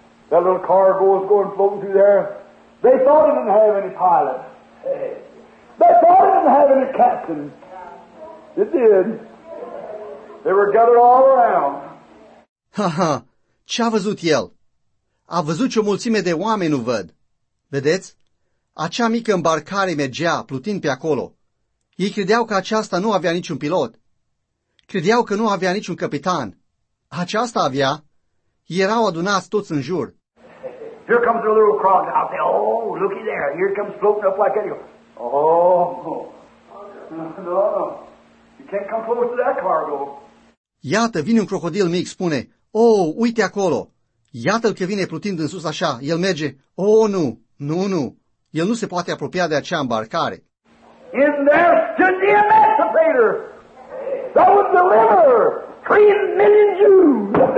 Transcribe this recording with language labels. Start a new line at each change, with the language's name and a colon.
English: That little cargo is going floating through there. They thought it didn't have any pilot. They thought it didn't have any captain. It did. They were gathered all around.
Romanian: Ha-ha! Ce-a văzut el? A văzut ce o mulțime de oameni nu văd. Vedeți? Acea mică îmbarcare mergea, plutind pe acolo. Ei credeau că aceasta nu avea niciun pilot. Credeau că nu avea niciun capitan. Aceasta avea. Erau adunați toți în jur.
English: Here comes a little crocodile. I'll say, looky there. Here comes floating up like anyone. Can't come close to that cargo.
Romanian: Iată, vine un crocodil mic, spune, uite acolo. Iată-l că vine plutind în sus așa. El merge, nu. El nu se poate apropia de acea îmbarcare.
English: In there stood the emancipator. That would deliver 3 million Jews.